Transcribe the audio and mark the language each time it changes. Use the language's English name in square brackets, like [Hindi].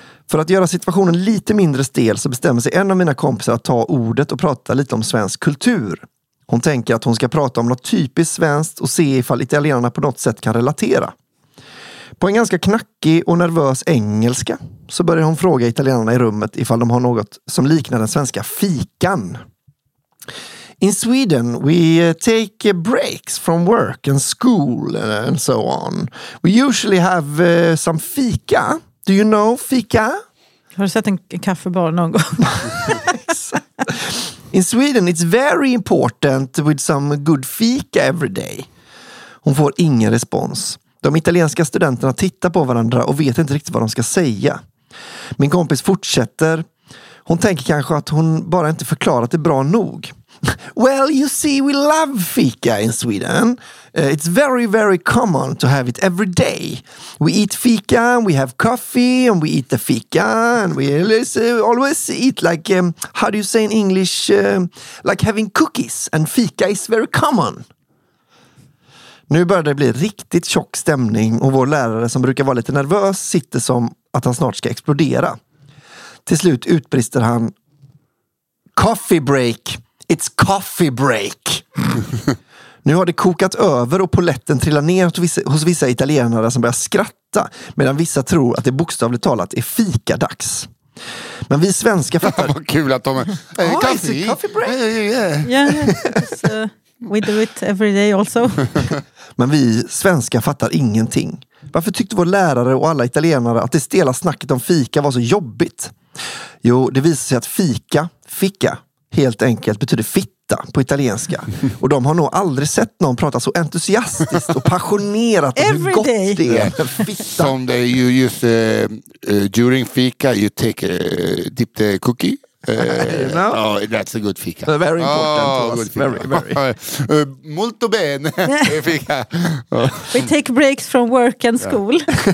[Swedish] För att göra situationen lite mindre stel så bestämmer sig en av mina kompisar att ta ordet och prata lite om svensk kultur. Hon tänker att hon ska prata om något typiskt svenskt och se ifall italienarna på något sätt kan relatera. På en ganska knackig och nervös engelska så börjar hon fråga italienarna i rummet ifall de har något som liknar den svenska fikan. [English] In Sweden, we take breaks from work and school and so on. We usually have some fika. Do you know fika? [Swedish] Har du sett en kaffebar någon gång? [English] In Sweden, it's very important with some good fika every day. [Swedish] Hon får ingen respons. De italienska studenterna tittar på varandra och vet inte riktigt vad de ska säga. Min kompis fortsätter. Hon tänker kanske att hon bara inte förklarat det bra nog. [English] Well, you see, we love fika in Sweden. It's very, very common to have it every day. We eat fika, we have coffee, and we eat the fika, and we always eat like, how do you say in English, like having cookies, and fika is very common. [Swedish] Nu börjar det bli riktigt tjock stämning och vår lärare som brukar vara lite nervös sitter som att han snart ska explodera. Till slut utbrister han [English] coffee break. It's coffee break. [Swedish] Nu har det kokat över och poletten trillar ner hos vissa italienare som börjar skratta medan vissa tror att det bokstavligt talat är fika dags. Men vi svenska fattar. Vad kul att de är. [English] Hey, oh, coffee. It's a coffee break. Yeah, yeah, yeah. We do it every day also. [Swedish] Men vi svenska fattar ingenting. Varför tyckte vår lärare och alla italienare att det stela snacket om fika var så jobbigt? Jo, det visar sig att fika, ficka, helt enkelt betyder fitta på italienska. Och de har nog aldrig sett någon prata så entusiastiskt och passionerat om [English] every [Swedish] hur gott [English] day. [Swedish] Det är. Fitta. Som det [English] you just during fika you take dip the cookie. No? Oh, that's a good fika. Very important. Oh, very, very. [Italian] Molto bene. Fika. [English] We take breaks from work and school.